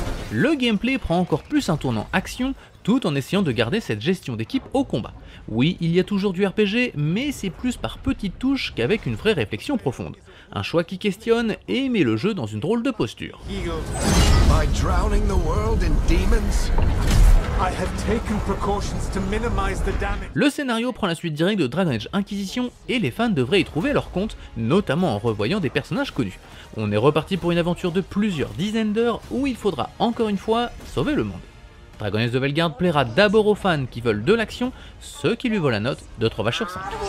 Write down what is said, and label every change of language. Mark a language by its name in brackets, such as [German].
[French] Le gameplay prend encore plus un tournant action, tout en essayant de garder cette gestion d'équipe au combat. Oui, il y a toujours du RPG, mais c'est plus par petites touches qu'avec une vraie réflexion profonde. Un choix qui questionne et met le jeu dans une drôle de posture. [English] By drowning the world in demons, I have taken precautions to minimize the damage. [French] Le scénario prend la suite directe de Dragon Age Inquisition et les fans devraient y trouver leur compte, notamment en revoyant des personnages connus. On est reparti pour une aventure de plusieurs dizaines d'heures où il faudra encore une fois sauver le monde. Dragon Age de Veilguard plaira d'abord aux fans qui veulent de l'action, ce qui lui vaut la note de 3 vaches sur 5.